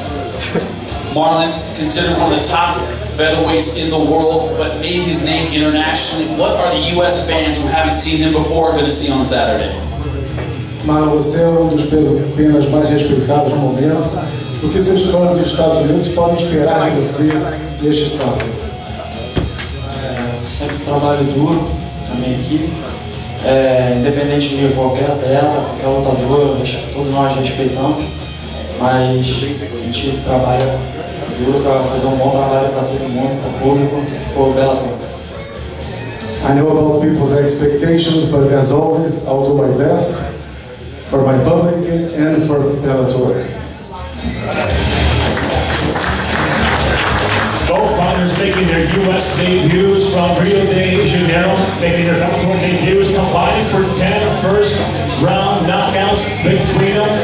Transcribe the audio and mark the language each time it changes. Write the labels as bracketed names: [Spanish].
[English] Marlon, considered one of the top featherweights in the world, but made his name internationally. What are the U.S. fans who haven't seen him before going to see on Saturday? [Portuguese] Marlon, você é um dos pesos-penas mais respeitados no momento. O que seus fãs dos Estados Unidos podem esperar de você neste sábado? Sempre trabalho duro na minha equipe. Independente de qualquer atleta, qualquer lutador, todos nós respeitamos. Mas a gente trabalha duro para fazer um bom trabalho para todo mundo, para o público, para o Bellator. [English] I know about people's expectations, but as always, I'll do my best for my public and for Bellator. Both fighters making their U.S. debuts from Rio de Janeiro, making their Bellator debuts, combining for 10 first round knockouts between them.